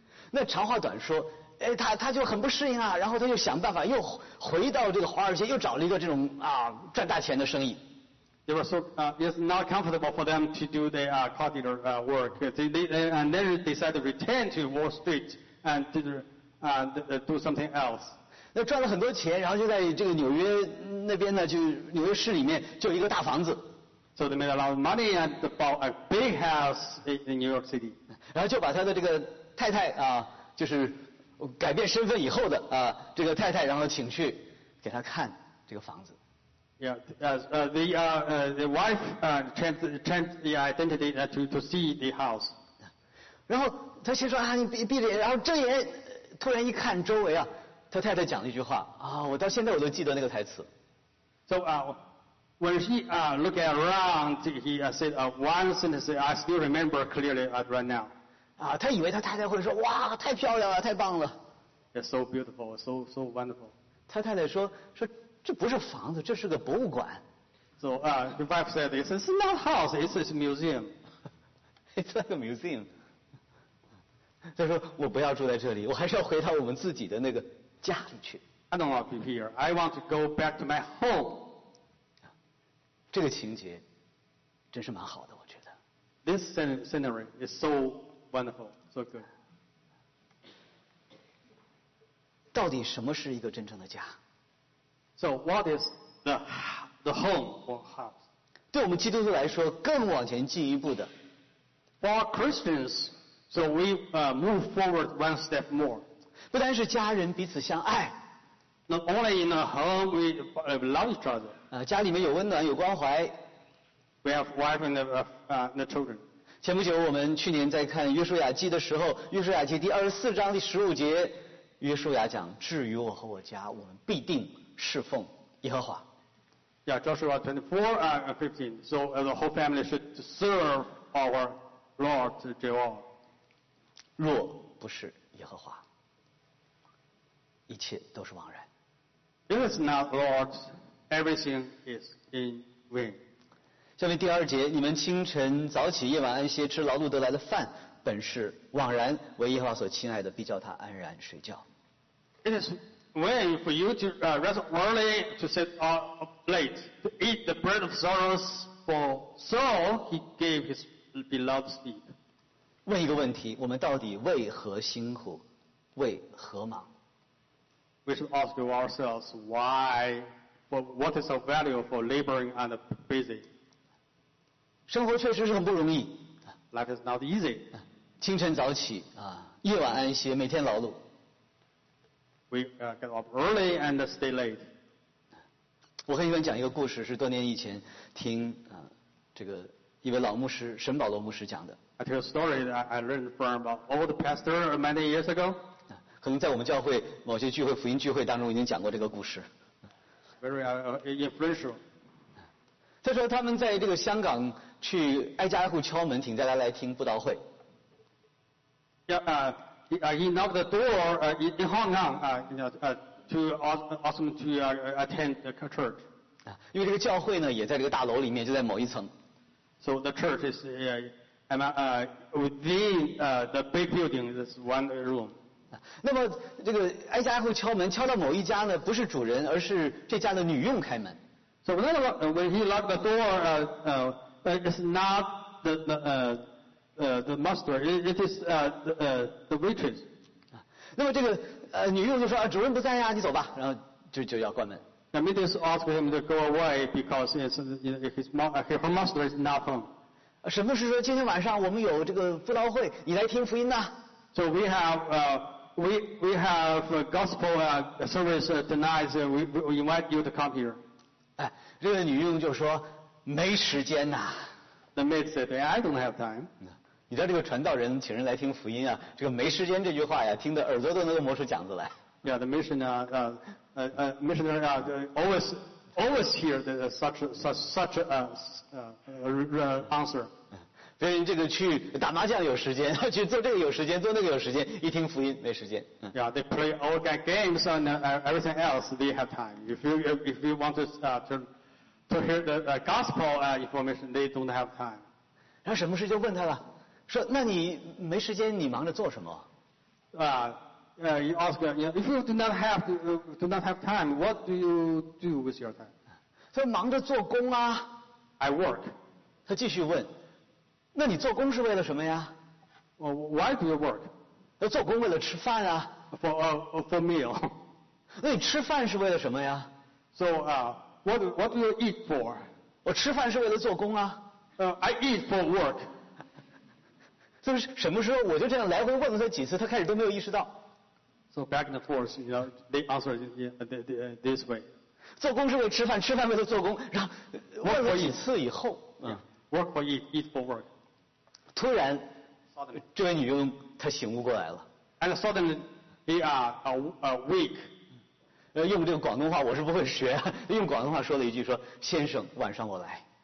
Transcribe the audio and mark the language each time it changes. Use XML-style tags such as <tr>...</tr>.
<zh>那长话短说，哎，他就很不适应啊，然后他就想办法又回到这个华尔街，又找了一个这种赚大钱的生意。</zh> <en>They were so it's not comfortable for them to do the car dealer work. They decided to return to Wall Street and do something else.</en> <zh>那赚了很多钱，然后就在这个纽约那边呢，就纽约市里面就有一个大房子。</zh> <en>So they made a lot of money and bought a big house in New York City.</en> <zh>然后就把他的这个太太啊，就是改变身份以后的啊，这个太太，然后请去给他看这个房子。</zh> <en>Yeah, the wife changed the identity to see the house.</en> <zh>然后他先说啊，你闭着眼，然后睁眼，突然一看周围啊，他太太讲了一句话啊，我到现在我都记得那个台词。</zh> <en>So when he looked around, he said one sentence I still remember clearly right now.</en> <zh>啊，他以为他太太会说哇，太漂亮了，太棒了。</zh> <en>It's so beautiful, so wonderful.</en> <zh>他太太说。这不是房子，这是个博物馆。</zh> <en>So, the wife said, "It's not a house, it's a museum." It's like a museum.</en> <zh>他说，我不要住在这里，我还是要回到我们自己的那个家里去。</zh> <en>I don't want to be here. I want to go back to my home.</en> <zh>这个情节真是蛮好的，我觉得。</zh> <en>This scenery is so wonderful, so good.</en> <zh>到底什么是一个真正的家？</zh> <en>So what is the home or house?</en> <zh>对我们基督徒来说，更往前进一步的。</zh> <en>For Christians, so we move forward one step more.</en> <zh>不单是家人彼此相爱。</zh> <en>Not only in a home we love each other.</en> <zh>家里面有温暖有关怀。</zh> <en>We have wife and the children.</en> <zh>前不久我们去年在看约书亚记的时候，约书亚记第24章第15节，约书亚讲，至于我和我家，我们必定侍奉耶和华。</zh> <en>Yeah, Joshua 24:15. So the whole family should serve our Lord Jehovah.</en> <zh>若不是耶和华，一切都是枉然。</zh> <en>If it's not Lord, everything is in vain.</en> <zh>下面第二节，你们清晨早起，夜晚安歇，吃劳碌得来的饭，本是枉然，为耶和华所亲爱的，必叫他安然睡觉。</zh> <en>It is when for you to rest early, to sit up late, to eat the bread of sorrows, for so he gave his beloved sleep.</en> <zh>问一个问题，我们到底为何辛苦，为何忙？</zh> <en>We should ask ourselves why, for what is the value for laboring and busy?</en> <zh>生活确实是很不容易。</zh> <en>Life is not easy.</en> <zh>清晨早起啊，夜晚安歇，每天劳碌。</zh> <en>We get up early and stay late.</en> <zh>我很喜欢讲一个故事，是多年以前听这个一位老牧师沈保罗牧师讲的。</zh> <en>I tell a story that I learned from an old pastor many years ago.</en> <zh>可能在我们教会某些聚会福音聚会当中已经讲过这个故事。</zh> <en>Very influential.</en> <zh>他说他们在这个香港去挨家挨户敲门，请大家来听布道会。</zh> <en>Yeah. He knocked the door in Hong Kong to ask him to attend the church.</en> <zh>因为这个教会呢也在这个大楼里面，就在某一层。</zh> <en>So the church is within the big building, this one room.</en> <zh>那么这个挨家挨户敲门，敲到某一家呢，不是主人，而是这家的女佣开门。</zh> <en>So when he locked the door, it's not the master, it is the waitress.</en> <zh>那么这个女佣就说啊，主人不在呀，你走吧，然后就要关门。</zh> <en>The maitress asked him to go away because her master is not home.</en> <zh>什么是说今天晚上我们有这个布道会，你来听福音呢？</zh> <en>So we have a gospel service tonight. We invite you to come here.</en> <zh>这个女佣就说没时间呐。</zh> <en>The maid said, I don't have time.</en> <zh>你知道这个传道人请人来听福音啊，这个没时间这句话呀，听得耳朵都能磨出茧子来。</zh> <en>Yeah, the missionary always hear the, such answer.</en> <zh>所以这个去打麻将有时间，去做这个有时间，做那个有时间，一听福音没时间。</zh> <en>Yeah, they play all games and everything else. They have time. If you want to hear the gospel information, they don't have time.</en> <zh>然后沈牧师就问他了。说那你没时间你忙着做什么</zh> <en>you ask, if you do not have time, what do you do with your time?</en> <zh>所以忙着做工啊。</zh> <en>I work.</en> <zh>他继续问，那你做工是为了什么呀？</zh> <en>Why do you work?</en> <zh>做工为了吃饭啊。</zh> <en>For meal.</en> <zh>那你吃饭是为了什么呀？</zh> <en>So, what do you eat for?</en> <zh>我吃饭是为了做工啊。</zh> <en>I eat for work.</en> <zh>就是什么时候我就这样来回问了他几次，他开始都没有意识到。</zh> <en>So back and forth, you know, they answer this way.</en> <zh>做工是为吃饭，吃饭为了做工，然后问了几次以后</zh> <en>work for eat, eat for work.</en> <zh>突然这位女佣她醒悟过来了。</zh> <en>And suddenly they are awake.</en> <zh>用这个广东话我是不会学，用广东话说了一句，说先生晚上我来。</zh>